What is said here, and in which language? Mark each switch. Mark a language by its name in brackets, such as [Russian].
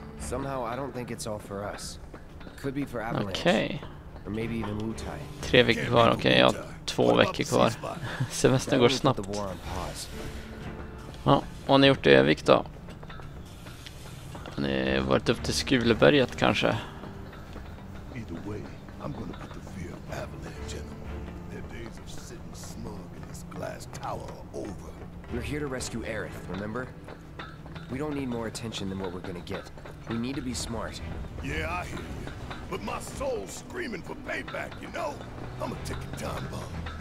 [English] Somehow I don't think it's all for us. Could be for Avalanche. Okay. Or maybe even Wutai. [Swedish] 3 veckor kvar. Okej, okay, jag har 2 veckor kvar. Semestern går snabbt. Ja, vad har ni gjort i Övik då? Har ni varit upp till Skuleberget kanske? [English] Way, I'm gonna put the fear of Avalanche in them. Their days of sitting smug in this glass tower are over. We're here to rescue Aerith, remember? We don't need more attention than what we're gonna get. We need to be smart. Yeah, I hear you. But my soul's screaming for payback, you know? I'm a ticking time bomb.